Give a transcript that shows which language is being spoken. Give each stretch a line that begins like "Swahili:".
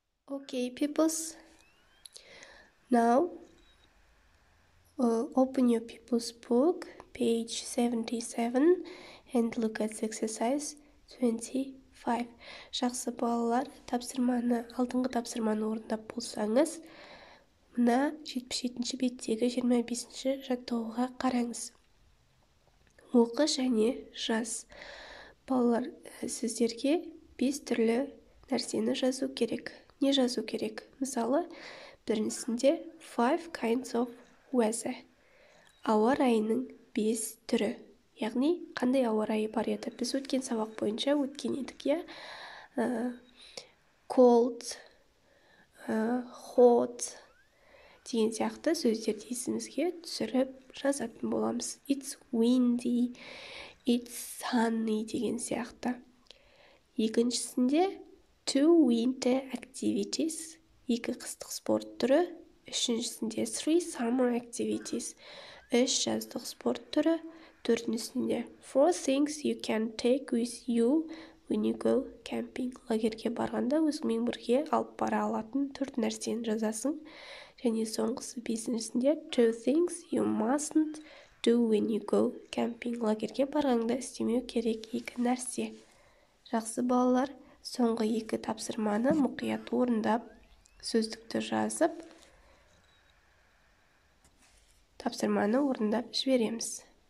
English: Okay, peoples. Now, open your peoples book, page 77, and look at exercise 25.
Kazakh: Жақсы балалар, тапсырманы, алдыңғы тапсырманы орындап болсаңыз, мына 77-ші беттегі 25-ші жаттығуға қараңыз. Оқы және жаз. Балалар, сіздерге 5 түрлі нәрсені жазу керек. Не жазу керек? Мысалы, біріншісінде
English: five kinds of weather.
Kazakh: Ауа райының 5 түрі. Яғни, қандай ауа райы бар еді? Біз өткен сабақ бойынша өткен едік, иә?
English: Cold, hot
Kazakh: деген сияқты сөздерді есімізге түсіріп жазатын боламыз.
English: It's windy, it's sunny
Kazakh: деген сияқты. Екіншісінде
English: two winter activities,
Kazakh: екі қыстық спорт түрі. Үшіншісінде
English: three summer activities,
Kazakh: үш жаздық спорт түрі. Төртіншісінде
English: four things you can take with you when you go camping.
Kazakh: Лагерге барғанда өзіңмен бірге алып бара алатын төрт нәрсені жазасың. Және соңғысы бесіншісінде
English: two things you mustn't do when you go camping.
Kazakh: Лагерге барғанда істемеу керек екі нәрсе. Жақсы балалар, соңғы екі тапсырманы мұқият орындап, сөздікті жазып, тапсырманы орындап жібереміз.